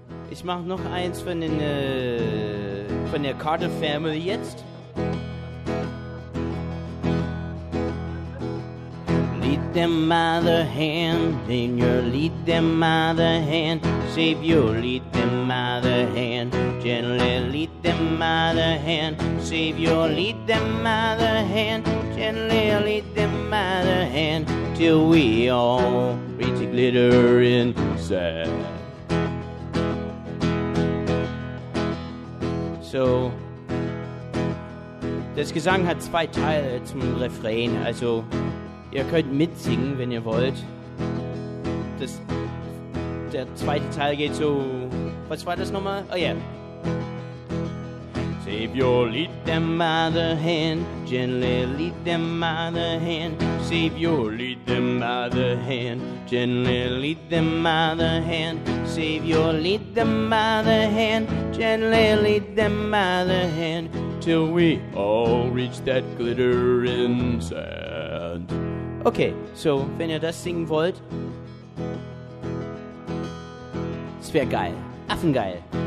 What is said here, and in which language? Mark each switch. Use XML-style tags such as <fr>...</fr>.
<de>Ich mach noch eins von der Carter Family jetzt.</de> <en>Lead them by the hand, Senior, lead them by the hand. Savior, lead them by the hand. Gently lead them by the hand. Savior, lead them by the hand. Gently lead them by the hand. Till we all reach a glittering sand.</en> <de>So, das Gesang hat zwei Teile zum Refrain, also ihr könnt mitsingen, wenn ihr wollt. Das, der zweite Teil geht so, was war das nochmal?</de> <en>Oh yeah. Savior, lead them by the hand, gently lead them by the hand. Savior, lead them by the hand, gently lead them by the hand. Savior, lead them by the hand, gently lead them by the hand. Till we all reach that glittering sand.</en> <de>Okay, so wenn ihr das singen wollt, es wäre geil, affengeil.</de>